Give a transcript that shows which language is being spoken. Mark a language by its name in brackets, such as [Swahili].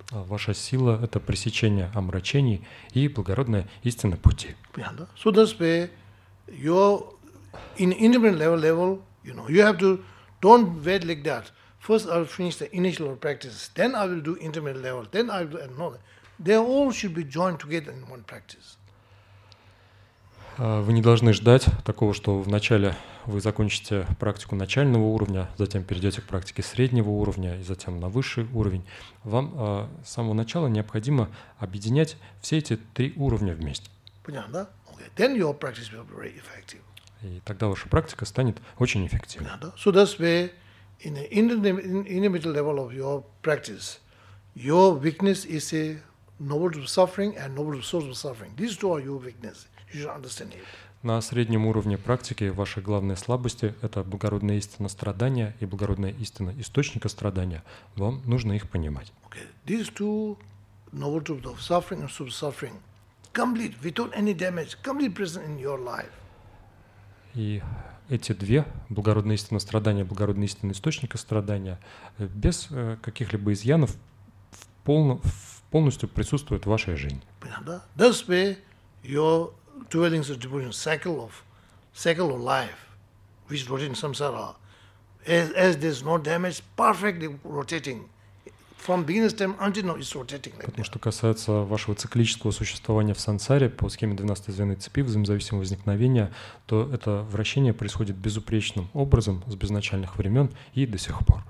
[Russian] Ваша сила – это пресечение омрачений и благородная истина пути. Понятно, да? [English] So that's why you're in intermediate level, you know, you have to don't wait like that. First I'll finish the initial practice, then I will do intermediate level, then I will acknowledge. They all should be joined together in one practice. [Russian] Вы не должны ждать такого, что вначале вы закончите практику начального уровня, затем перейдете к практике среднего уровня и затем на высший уровень. Вам с самого начала необходимо объединять все эти три уровня вместе. Понятно, да? [English] Okay. Then your practice will be very effective. [Russian] И тогда ваша практика станет очень эффективной. Понятно, да? [English] So that's where in the intermediate level of your practice, your weakness is a knowledge of suffering and knowledge of source of suffering. These two are your weaknesses. You should understand it. [Russian] На среднем уровне практики ваши главные слабости – это благородная истина страдания и благородная истина источника страдания. Вам нужно их понимать. Okay. [English] These two, knowledge of suffering and sub-suffering, complete, without any damage, complete present in your life. [Russian] И эти две – благородная истина страдания, благородная истина источника страдания – без каких-либо изъянов полностью присутствуют в вашей жизни. Понятно, да? [English] That's where your dwellings of devotion, cycle of life, which rotates in samsara, as there's no damage, perfectly rotating. From beginner's time until now, it's rotating. Like [Russian] потому что касается вашего циклического существования в сансаре, по схеме 12 звеной цепи взаимозависимого возникновения, то это вращение происходит безупречным образом с безначальных времен и до сих пор.